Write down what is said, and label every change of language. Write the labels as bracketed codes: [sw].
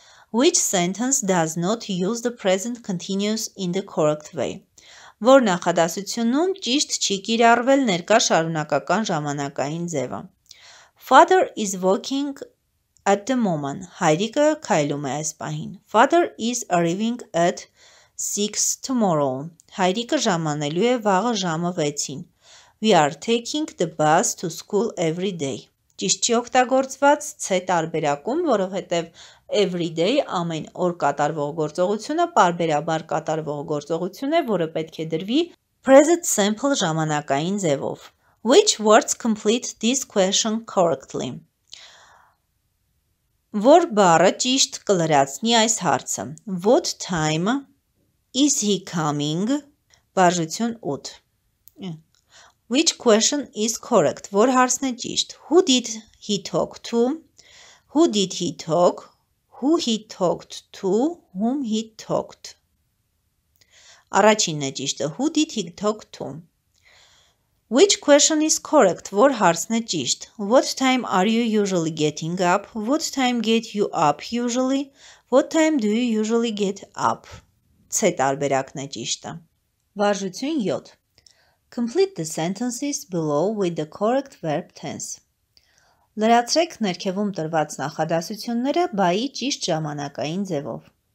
[en] Which sentence does not use the present continuous in the correct way? [hy] Որ նախադասությունում ճիշտ չի կիրառվել ներկա շարունակական ժամանակային ձևը. [en] Father is walking at the moment. [hy] Հայրիկը քայլում է այս պահին. [en] Father is arriving at 6 tomorrow. [hy] Հայրիկը ժամանելու է վաղը ժամը 6-ին. [en] We are taking the bus to school every day. [hy] Ճիշտ չի օգտագործված ց տարբերակում, որովհետև every day ամեն օր կատարվող գործողությունը պարբերաբար կատարվող գործողություն է, որը պետք է դրվի present simple ժամանակային ձևով. [en] Which words complete this question correctly? [hy] Որ բառը ճիշտ կլրացնի այս հարցը. [en] What time is he coming? [hy] Բաժություն 8. [en] Which question is correct? [hy] Որ հարցն է ճիշտ. [en] Who did he talk to? Who did he talk? Who he talked to? Whom he talked? [hy] Առաջինն է ճիշտը. [en] Who did he talk to? Which question is correct? [hy] Որ հարցն է ճիշտ. [en] What time are you usually getting up? What time get you up usually? What time do you usually get up? [hy] Ց տարբերակն է ճիշտը. Բաժություն 7. [en] Complete the sentences below with the correct verb tense. [hy] Լրացրեք ներքևում տրված նախադասությունները բայի ճիշտ ժամանակային ձևով.